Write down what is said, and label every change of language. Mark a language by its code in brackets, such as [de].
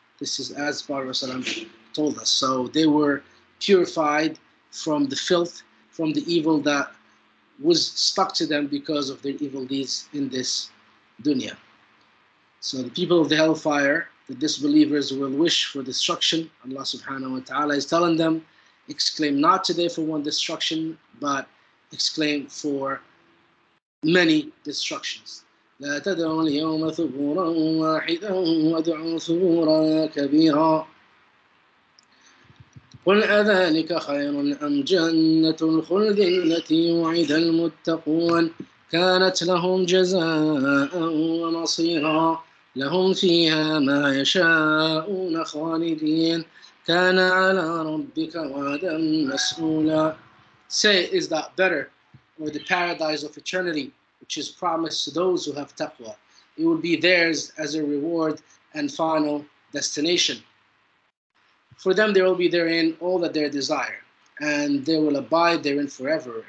[en] This is as Barasalam told us. So they were purified from the filth, from the evil that was stuck to them because of their evil deeds in this dunya. So the people of the hellfire, the disbelievers, will wish for destruction. Allah subhanahu wa ta'ala is telling them, exclaim not today for one destruction, but exclaim for many destructions. [ar] لا تدعوا اليوم ثبورا واحدا وادعوا ثبورا كبيرا قل أذلك خير أم جنة الخلد التي وعد المتقون كانت لهم جزاء ومصيرا لهم فيها ما يشاءون خالدين كان على ربك وعدا مسؤولا. [en] Say, is that better, or the paradise of eternity, which is promised to those who have taqwa? It will be theirs as a reward and final destination. For them, there will be therein all that they desire, and they will abide therein forever.